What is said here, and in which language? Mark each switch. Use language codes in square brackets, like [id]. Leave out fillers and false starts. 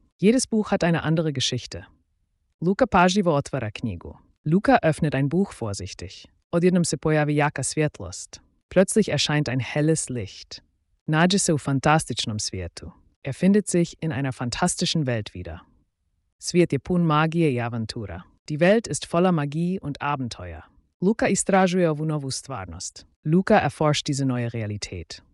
[de] Jedes Buch hat eine andere Geschichte. [hr] Luka pažljivo otvara knjigu. [de] Luka öffnet ein Buch vorsichtig. [hr] Odjednom se pojavi jaka svjetlost. [de] Plötzlich erscheint ein helles Licht. [hr] Nađe se u fantastičnom svijetu. [de] Er findet sich in einer fantastischen Welt wieder. [hr] Svijet je pun magije i avantura. [de] Die Welt ist voller Magie und Abenteuer. [hr] Luka istražuje ovu novu stvarnost. [de] Luka erforscht diese neue Realität.